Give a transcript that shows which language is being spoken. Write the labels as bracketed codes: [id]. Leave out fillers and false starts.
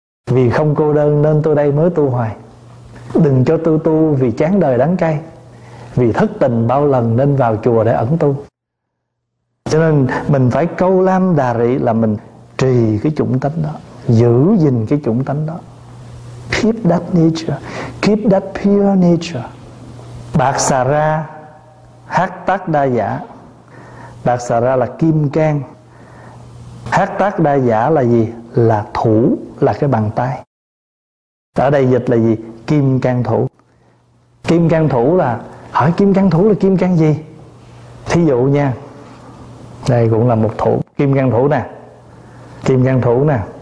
[vi] Vì không cô đơn nên tôi đây mới tu hoài. Đừng cho tôi tu vì chán đời đắng cay. Vì thất tình bao lần nên vào chùa để ẩn tu. Cho nên mình phải câu lam đà rị là mình trì cái chủng tánh đó, giữ gìn cái chủng tánh đó. [en] Keep that nature, keep that pure nature. [vi] Bạc xà ra hát tác đa giả. Bạc xà ra là kim cang, hát tác đa giả là gì? Là thủ, là cái bàn tay. Ở đây dịch là gì? Kim cang thủ. Kim cang thủ là, hỏi kim cang thủ là kim cang gì? Thí dụ nha, đây cũng là một thủ, kim cang thủ nè, kim cang thủ nè.